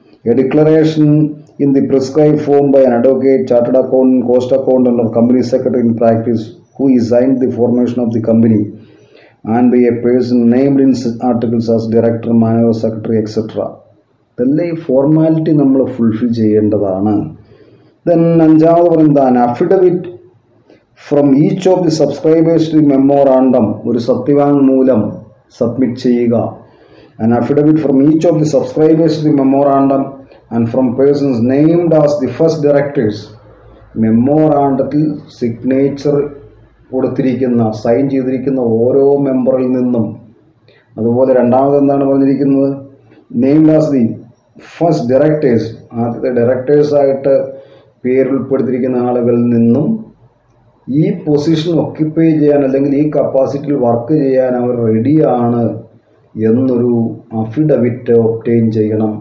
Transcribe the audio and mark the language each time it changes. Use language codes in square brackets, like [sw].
[en] A declaration in the prescribe form by an advocate, chartered accountant, cost accountant or company secretary in practice who ഈ sign the formation of the company and by a person named in articles as director, manager, secretary, etcetera. [ml] ഇതെല്ലാം ഈ formality നമ്മൾ fulfil ചെയ്യേണ്ടതാണ്. Then അഞ്ചാമത് പറയുന്നതാണ് [en] Affidavit from each of the subscribers to memorandum. [ml] ഒരു സത്യവാങ്മൂലം submit ചെയ്യുക. [en] An affidavit from each of the subscribers to the memorandum and from persons named as the first directors. [ml] മെമ്മോറാണ്ടത്തിൽ signature കൊടുത്തിരിക്കുന്ന, sign ചെയ്തിരിക്കുന്ന ഓരോ മെമ്പറിൽ നിന്നും. അതുപോലെ രണ്ടാമത് എന്താണ് പറഞ്ഞിരിക്കുന്നത്? [en] named as the first directors, [ml] ആദ്യത്തെ ഡയറക്ടേഴ്സായിട്ട് പേരുൾപ്പെടുത്തിയിരിക്കുന്ന ആളുകളിൽ നിന്നും ഈ പൊസിഷൻ ഒക്യുപ്പൈ ചെയ്യാൻ അല്ലെങ്കിൽ ഈ കപ്പാസിറ്റിയിൽ വർക്ക് ചെയ്യാൻ അവർ റെഡിയാണ് എന്നൊരു അഫിഡവിറ്റ് ഒബ്ടെയിൻ ചെയ്യണം.